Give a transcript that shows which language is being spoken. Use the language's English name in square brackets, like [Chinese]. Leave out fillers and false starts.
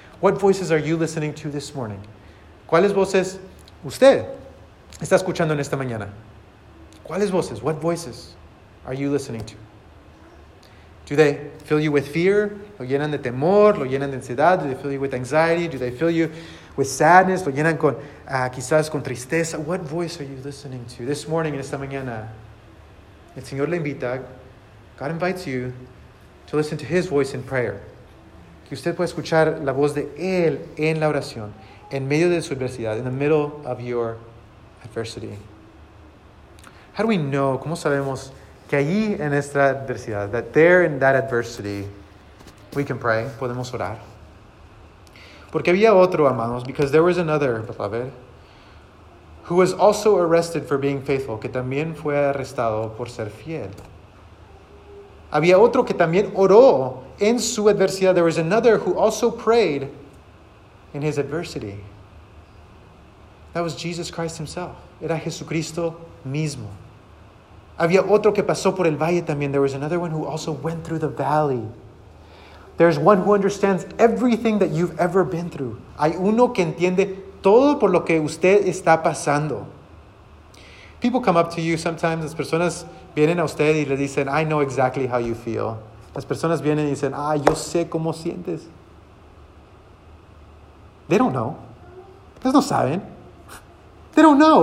[English] What voices are you listening to this morning? [Spanish] ¿Cuáles voces usted está escuchando en esta mañana? ¿Cuáles voces? [English] What voices are you listening to? Do they fill you with fear? [Spanish] ¿Lo llenan de temor? ¿Lo llenan de ansiedad? [English] Do they fill you with anxiety? Do they fill you with sadness? [Spanish] ¿Lo llenan con quizás con tristeza? [English] What voice are you listening to? This morning, [Spanish] en esta mañana, el Señor le invita, [English] God invites you to listen to His voice in prayer. [Spanish] Que usted pueda escuchar la voz de Él en la oración, en medio de su adversidad, [English] in the middle of your adversity. How do we know, [Spanish] cómo sabemos que allí en nuestra adversidad, [English] that there in that adversity, we can pray, [Spanish] podemos orar? Porque había otro, amados, [English] because there was another, beloved, who was also arrested for being faithful, [Spanish] que también fue arrestado por ser fiel. Había otro que también oró en su adversidad. [English] There was another who also prayed in his adversity. That was Jesus Christ himself. [Spanish] Era Jesucristo mismo. Había otro que pasó por el valle también. [English] There was another one who also went through the valley. There's one who understands everything that you've ever been through. [Spanish] Hay uno que entiende todo por lo que usted está pasando. [English] People come up to you sometimes. [Spanish] Las personas vienen a usted y le dicen, [English] I know exactly how you feel. [Spanish] Las personas vienen y dicen, ah, yo sé cómo sientes. [English] They don't know. [Spanish] Ellos no saben. [English] They don't know.